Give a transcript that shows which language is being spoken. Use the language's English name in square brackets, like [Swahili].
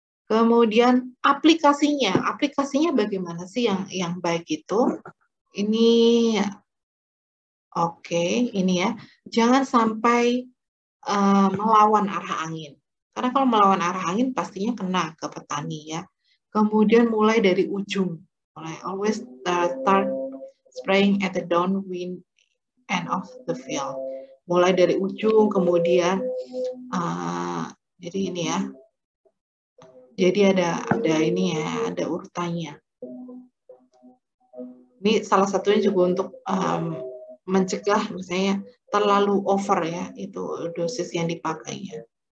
[Indonesian] Kemudian aplikasinya bagaimana sih yang baik itu? Ini Oke, ini ya. Jangan sampai melawan arah angin. Karena kalau melawan arah angin pastinya kena ke petani ya. Kemudian mulai dari ujung. Mulai [English] always start spraying at the downwind end of the field. [Indonesian] Mulai dari ujung, kemudian jadi ini ya. Jadi ada ini ya, ada urutannya. Ini salah satunya juga untuk mencegah misalnya terlalu over ya itu dosis yang dipakainya.